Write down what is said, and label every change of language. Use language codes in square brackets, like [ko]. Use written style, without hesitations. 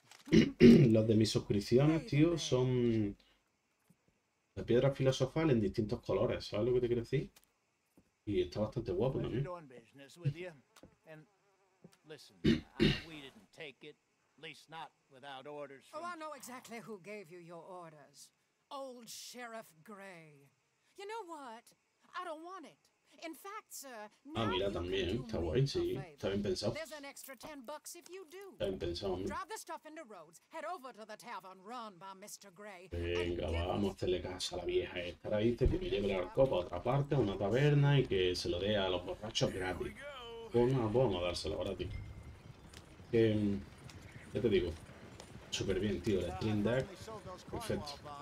[es] Los de mis suscripciones, tío, son la piedra filosofal en distintos colores, ¿sabes lo que te quiero decir? Y está bastante guapo también. [en] Oh, I know exactly who gave you your orders. Old Sheriff Gray. You know what? I don't want it. In fact, sir, [es] ah, mira, también, está guay, sí, está bien pensado. [en] There's an extra $10 if you do. [es] Está bien pensado, hombre. [en] Drive the stuff into Rhodes, head over to the tavern run by Mr. Gray. [es] Venga, vamos a hacerle caso a la vieja esta, la dice que me lleve la copa a otra parte, a una taberna, y que se lo dé a los borrachos gratis. Bueno, vamos a dárselo gratis. Ya te digo, súper bien, tío, el stream deck, perfecto.